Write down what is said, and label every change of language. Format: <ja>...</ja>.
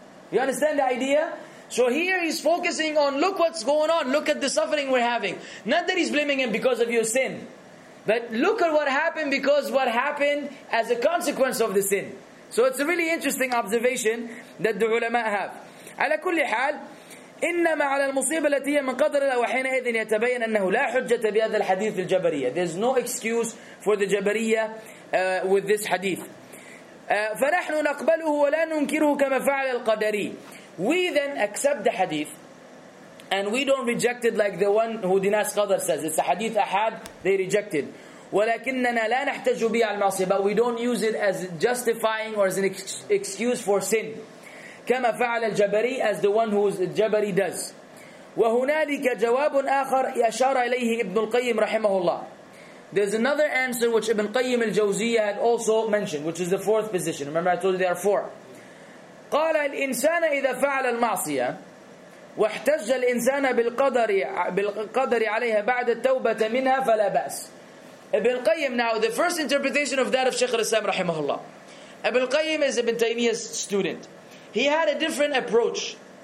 <en>You understand the idea? So here he's focusing on, look what's going on. Look at the suffering we're having. Not that he's blaming him because of your sin. But look at what happened because what happened as a consequence of the sin. So it's a really interesting observation that the ulama have.</en> <ar>على كل حال, إنما على المصيبة التي من قدر الله وحينئذ يتبين أنه لا حجة بهذا الحديث الجبرية.</ar> <en>There's no excuse for the جبرية with this hadith.</en> <ar>فنحن نقبله ولا ننكره كما فعل القدري.</ar> <en>We then accept the hadith and we don't reject it like the one who denies Qadr says. It's a hadith ahad, they rejected.</en> <ar>ولكننا لا نحتج به على المعصية.</ar> <en>But we don't use it as justifying or as an excuse for sin.</en> <ar>كما فعل الجبري,</ar> <en>as the one who's الجبري does.</en> <ar>وهنالك جواب آخر يشار إليه ابن القيم رحمه الله.</ar> <en>There's another answer which Ibn Qayyim al-Jawziyya had also mentioned, which is the fourth position. Remember I told you there are four.</en> <ar>قال الإنسان إذا فعل المعصية واحتج الإنسان بالقدر عليها بعد التوبة منها فلا بأس.</ar> <en>Ibn Qayyim, now the first interpretation of that of Shaykh al-Islam</en> <ar>رحمه الله.</ar> <en>Ibn Qayyim is Ibn Taymiyyah's student. He had a different approach.</en>